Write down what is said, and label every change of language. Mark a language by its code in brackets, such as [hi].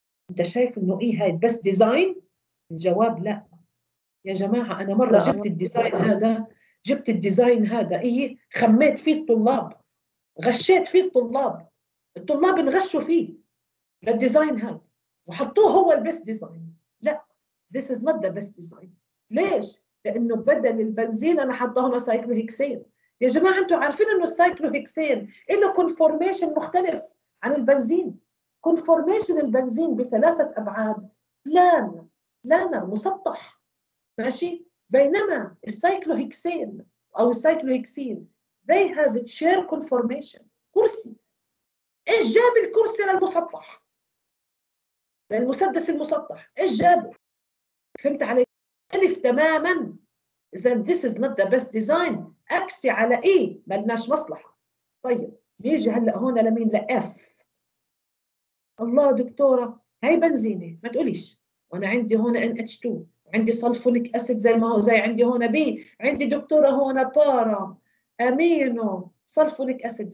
[ar] أنت شايف إنه إي هاي بست ديزاين؟ الجواب لا. يا جماعة أنا مرة جبت الديزاين هذا، جبت الديزاين هذا إي، خميت فيه الطلاب، غشيت فيه الطلاب، الطلاب انغشوا فيه للديزاين هذا وحطوه هو البست ديزاين. لا، [en] this is not the best design. [ar] ليش؟ لأنه بدل البنزين أنا حاطه هنا سايكلوهيكسين. يا جماعة أنتم عارفين أنه السايكلوهيكسين له كونفورميشن مختلف عن البنزين. كونفورميشن البنزين بثلاثة أبعاد، بلانر مسطح، ماشي؟ بينما السايكلوهيكسين أو السايكلوهيكسين [en] they have a chair conformation، [ar] كرسي. إيش جاب الكرسي للمسطح؟ للمسدس المسطح، إيش جابه؟ فهمت علي؟ مختلف تماماً. [en] Then this is not the best design. [ar] أكسي على إيه؟ ملناش مصلحة. طيب نيجي هلأ هون لمين؟ لإف. الله دكتورة هاي بنزينة، ما تقوليش وأنا عندي هون NH2، عندي سلفونيك أسيد زي ما هو، زي عندي هون بي، عندي دكتورة هون بارا أمينو سلفونيك أسيد.